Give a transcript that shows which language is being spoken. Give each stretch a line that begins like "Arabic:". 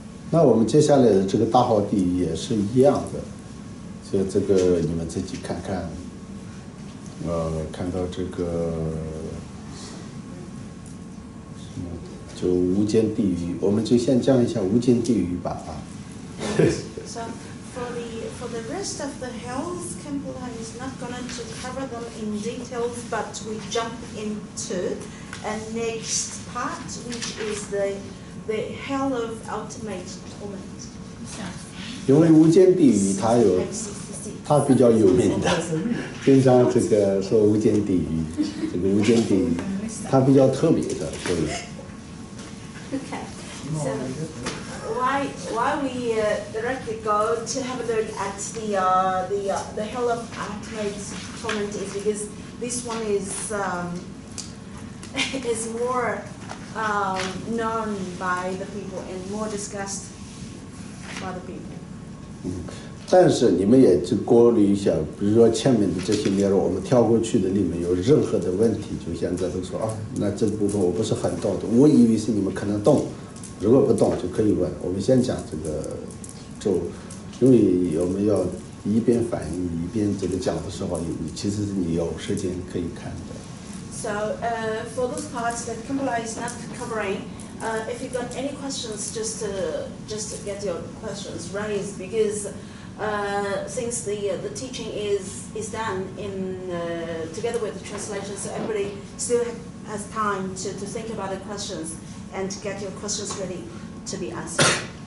Chinese: 那我们接下来的这个大号地也是一样的，就这个你们自己看看。看到这个什么，就无间地狱，我们就先讲一下无间地狱吧。
English: So for the rest of the hells, Khenpo is not going to cover them in details, but we jump into a next part, which is the hell of ultimate torment.
Chinese: 因为无间地狱它有。他比较有名的，经常这个说无间地狱，这个无间地狱，他比较特别的，是不是
English: ？Okay, so why we directly go to have a look at the hell of ultimate torment is because this one is more known by the people and more discussed by the people.
Chinese: 但是你们也就过滤一下，比如说前面的这些内容，我们跳过去的里面有任何的问题，就像这都说啊，那这部分我不是很懂的，我以为是你们可能懂，如果不懂就可以问。我们先讲这个，就因为我们要一边反应一边这个讲的时候，你其实你有时间可以看的。
English: For those parts that Khenpo is not covering, if you got any questions, just get your questions raised because. Since the teaching is done in together with the translation, so everybody still has time to think about the questions and to get your questions ready to be answered.